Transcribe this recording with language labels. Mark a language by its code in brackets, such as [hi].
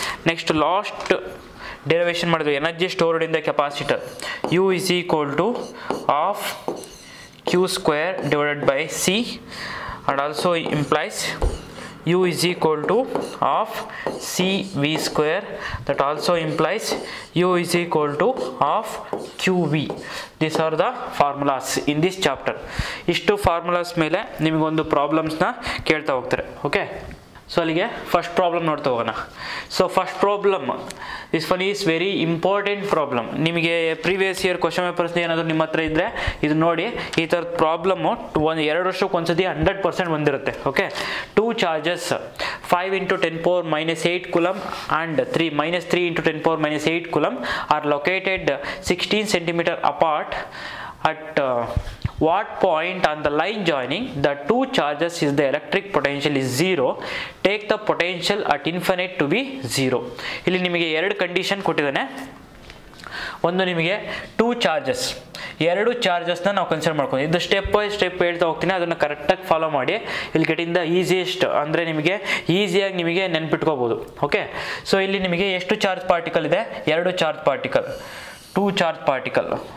[en] next last derivation [kn] ಮಾಡಿದ್ವಿ [en] Energy stored in the capacitor U is equal to of Q² / C and also implies U is equal to half CV² that also implies U is equal to half QV. These are the formulas in this chapter. [kn] ಇಷ್ಟು formulas ಮೇಲೆ ನಿಮಗೊಂದು ಪ್ರಾಬ್ಲಮ್ಸ್ನ ಕೇಳ್ತಾ ಹೋಗ್ತಾರೆ. [en] okay, so [kn] ಅಲ್ಲಿಗೆ [en] first problem [kn] ನೋಡ್ತಾ ಹೋಗೋಣ. [en] So first problem this one is very important problem. [kn] ನಿಮಗೆ previous year question papers ಏನಾದರೂ ನಿಮ್ಮ ಹತ್ರ ಇದ್ದರೆ ಇದು ನೋಡಿ, ಈ ಥರದ ಪ್ರಾಬ್ಲಮ್ಮು ಎರಡು ವರ್ಷಕ್ಕೊಂದ್ಸತಿ 100% ಬಂದಿರುತ್ತೆ. [en] Okay, two charges 5×10⁻¹ coulomb and 3×10⁻¹ coulomb are located 16 cm apart at what point on the line joining the two charges is the electric potential is zero, take the potential at infinite to be zero. [kn] ಇಲ್ಲಿ ನಿಮಗೆ ಎರಡು condition ಕೊಟ್ಟಿದ್ದಾನೆ. ಒಂದು ನಿಮಗೆ two charges, ಎರಡು ಚಾರ್ಜಸ್ನ ನಾವು consider ಮಾಡ್ಕೊಂಡು ಇದು [en] step by step [kn] ಹೇಳ್ತಾ ಹೋಗ್ತೀನಿ, ಅದನ್ನು ಕರೆಕ್ಟಾಗಿ ಫಾಲೋ ಮಾಡಿ ಇಲ್ಲಿ ಕಡೆಯಿಂದ ಈಸಿಯೆಸ್ಟ್ ಅಂದರೆ ನಿಮಗೆ ಈಸಿಯಾಗಿ ನಿಮಗೆ ನೆನ್ಪಿಟ್ಕೋಬೋದು. ಓಕೆ, ಸೊ ಇಲ್ಲಿ ನಿಮಗೆ ಎಷ್ಟು ಚಾರ್ಜ್ ಪಾರ್ಟಿಕಲ್ ಇದೆ, ಎರಡು charge particle, [en] Two charge particle.